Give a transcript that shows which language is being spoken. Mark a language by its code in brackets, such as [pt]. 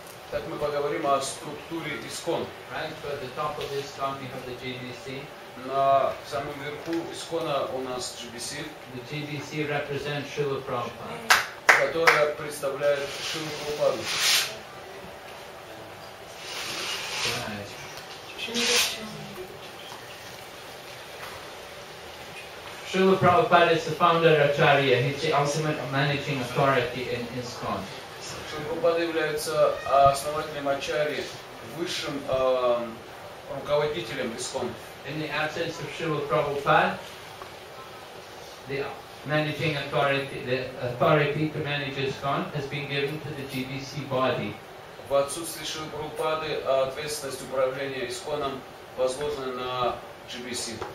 [ru] Так мы поговорим о структуре ИСККОН. [en] At the top of ISKCON we have the JBC. [ru] На самом верху ИСККОНа у нас JBC. [en] The JBC represents Шрила Прабхупада. [ru] Которая представляет Шрилу Прабхупаду. [en] Шрила Прабхупада is the founder of Acharya. He's the ultimate managing authority in ISKCON. [ru] Шрила является основателем Ачарьи, высшим руководителем ИСККОН. [en] In the absence of Шрила Прабхупада, the managing authority, the authority to manage ISKCON has been given to the GBC body. [ru] В отсутствие Шрилы Прабхупады ответственность управления ИСККОНом возложена на GBC.